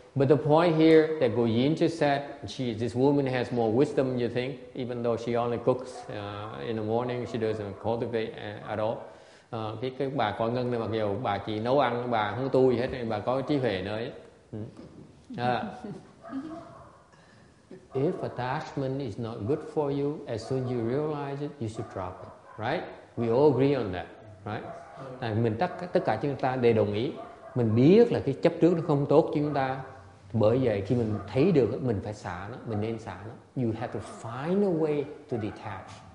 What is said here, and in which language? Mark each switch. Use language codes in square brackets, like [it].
[en] But the point here that Gu Yin just said, this woman has more wisdom, you think, even though she only cooks in the morning, she doesn't cultivate at all. [vi] Cái bà Quang Ngân này, mặc dù bà chỉ nấu ăn, bà không tu gì hết, bà có trí huệ nữa. [en] If attachment is not good for you, as soon as you realize it, you should drop it. Right? We all agree on that. Right? [vi] Là mình tất cả chúng ta đều đồng ý. Mình biết là cái chấp trước nó không tốt cho chúng ta. Bởi vậy khi mình thấy được, mình phải xả nó. Mình nên xả nó. [en] You have to find a way to detach.